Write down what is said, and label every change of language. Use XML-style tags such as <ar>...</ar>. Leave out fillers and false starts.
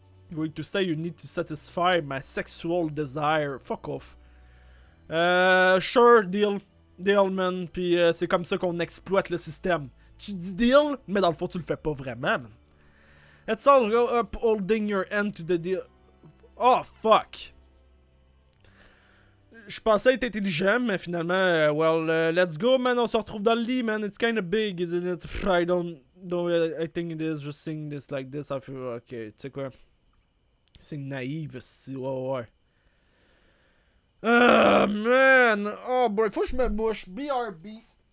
<en>You need to say you need to satisfy my sexual desire. Fuck off. Sure, deal. Deal, man.</en> <fr>Pis c'est comme ça qu'on exploite le système. Tu dis deal, mais dans le fond, tu le fais pas vraiment.</fr> <en>It's all up holding your end to the deal. Oh, fuck.</en> <fr>Je pensais être intelligent, mais finalement,</fr> <en>let's go, man.</en> <fr>On se retrouve dans le lit,</fr> <en>man. It's kind of big, isn't it? I don't... I think it is. Just seeing this like this, I feel... Ok,</en> <fr>tu sais quoi? C'est naïf, si... Ouais. Man. Oh, boy. Faut que je me mouche. BRB.</fr>